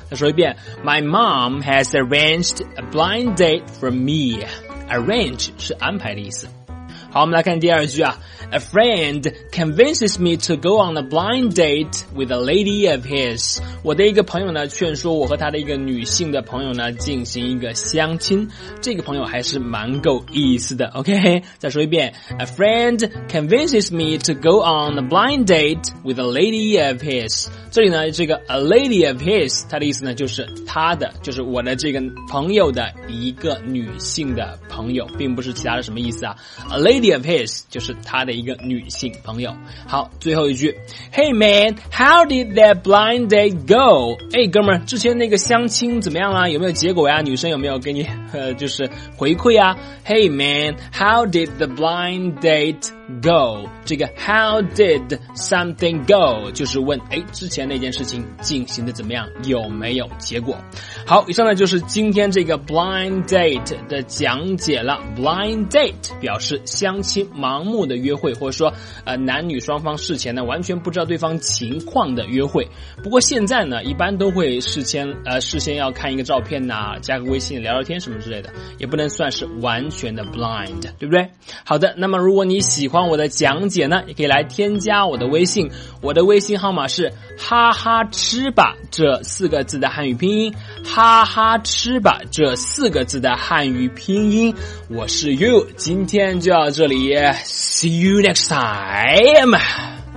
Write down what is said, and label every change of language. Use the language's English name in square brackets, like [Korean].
[Chinese] 再说一遍 [English] ，My mom has arranged a blind date for me. [Chinese] Arrange 是安排的意思。好，我们来看第二句啊。 [English] A friend convinces me to go on a blind date with a lady of his. [Chinese] 我的一个朋友呢，劝说我和他的一个女性的朋友呢，进行一个相亲。这个朋友还是蛮够意思的。 OK， 再说一遍。 [English] A friend convinces me to go on a blind date with a lady of his. [Chinese] 这里呢，这个 [English] a lady of his， [Chinese] 它的意思呢，就是他的，就是我的这个朋友的一个女性的朋友，并不是其他的什么意思啊。 [English] A lady of his [Chinese] 就是他的一个女性朋友。好，最后一句 [English] Hey man, how did that blind date go? [Chinese] 哎，哥们儿，之前那个相亲怎么样了？有没有结果呀？女生有没有给你就是回馈啊？ [English] Hey man, how did the blind date go? [Chinese] 这个 [English] how did something go [Chinese] 就是问，哎，之前那件事情进行的怎么样，有没有结果。好，以上呢就是今天这个 blind date 的讲解了。 blind date 表示相亲，盲目的约会，或者说男女双方事前呢完全不知道对方情况的约会。不过现在呢一般都会事先要看一个照片呐，加个微信聊聊天什么之类的，也不能算是完全的 blind， 对不对？好的，那么如果你喜欢我的讲解呢，也可以来添加我的微信，我的微信号码是哈哈吃吧这四个字的汉语拼音，哈哈吃吧这四个字的汉语拼音。我是 You， 今天就到这里， [English] See you next time.